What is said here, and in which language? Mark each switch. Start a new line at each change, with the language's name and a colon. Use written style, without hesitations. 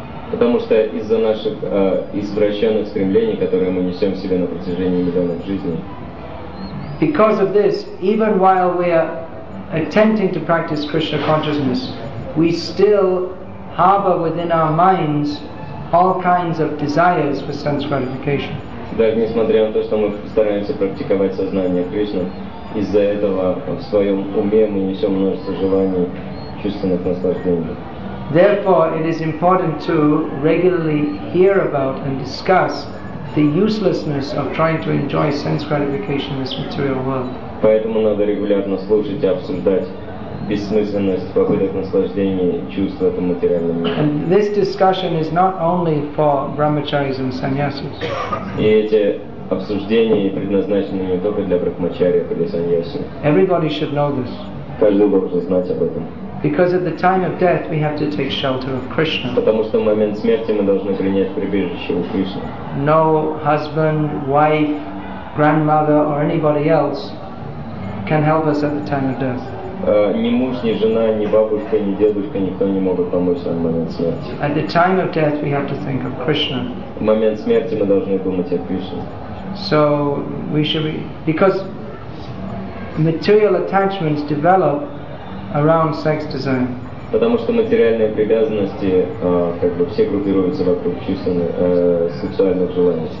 Russian: Потому что из-за наших извращенных стремлений, которые мы несем в себе на протяжении миллионов жизней.
English: Because of this, even while we are attempting to practice Krishna consciousness, we still harbor within our minds all kinds of desires for sense gratification.
Russian: Даже несмотря на то, что мы стараемся практиковать сознание Кришны, из-за этого в своем уме мы несем множество желаний, чувственных наслаждений.
English: Therefore, it is important to regularly hear about and discuss the uselessness of trying to enjoy sense gratification in this material world.
Russian: Поэтому надо регулярно слушать и обсуждать бессмысленность попыток наслаждения чувств в этом материальном мире.
English: And this discussion is not only for brahmacharis and sannyasis.
Russian: И эти обсуждения предназначены не только для брахмачарьев или саньяси.
English: Everybody should know this.
Russian: Каждый должен знать об этом.
English: Because at the time of death we have to take shelter of Krishna.
Russian: Потому что в момент смерти мы должны принять прибежище у Кришны.
English: No husband, wife, grandmother or anybody else can help us at the time of death.
Russian: Ни муж, ни жена, ни бабушка, ни дедушка, никто не могут помочь нам в момент смерти.
English: At the time of death we have to think of Krishna.
Russian: В момент смерти мы должны думать о Кришне.
English: So we should be, because material attachments develop around sex desire.
Russian: Потому что материальные привязанности как бы все группируются вокруг сексуальных желаний.